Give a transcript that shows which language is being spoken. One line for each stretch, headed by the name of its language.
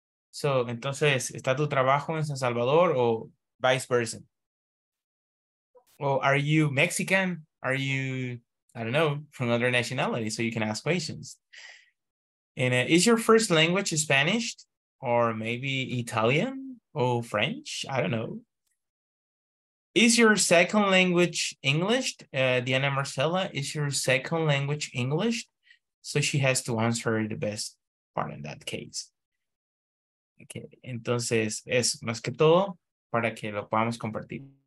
Spanish: So entonces, ¿está tu trabajo en San Salvador o vice versa?
English: O are you Mexican? Are you, I don't know, from other nationality? So you can ask questions. And is your first language Spanish? Or maybe Italian or French, I don't know. Is your second language English? Diana Marcela, is your second language English? So she has to answer the best part in that case.
Spanish: Okay, entonces es más que todo para que lo podamos compartir.